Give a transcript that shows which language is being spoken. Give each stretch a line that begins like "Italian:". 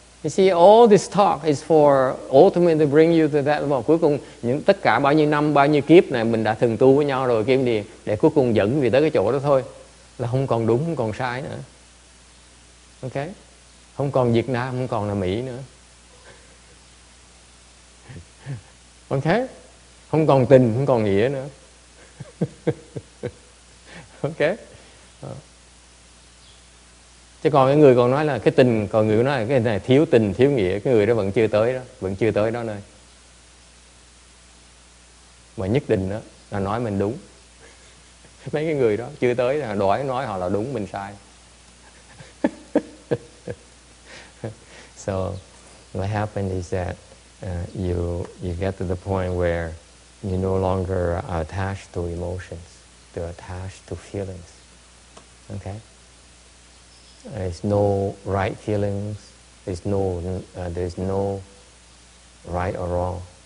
English: You see, all this talk is for ultimately to bring you to that level.
Vietnamese: Cuối cùng, những tất cả bao nhiêu năm, bao nhiêu kiếp này mình đã thường tu với nhau rồi, kiếm đi, để cuối cùng dẫn về tới cái chỗ đó thôi. Là không còn đúng, không còn sai nữa. Ok? Không còn Việt Nam, không còn là Mỹ nữa.
English: Ok?
Vietnamese: Không còn tình, không còn nghĩa nữa.
English: Ok?
Vietnamese: Chứ còn cái người còn nói là cái tình, còn người nói là cái này thiếu tình, thiếu nghĩa, cái người đó vẫn chưa tới đó, vẫn chưa tới đó nơi. Mà nhất định đó, là nói mình đúng. Mấy cái người đó chưa tới là đòi nói họ là đúng, mình sai.
English: So, what happened is that you get to the point where you no longer are attached to emotions, you're attached to feelings. Okay? There's no right feelings. There's no right or wrong.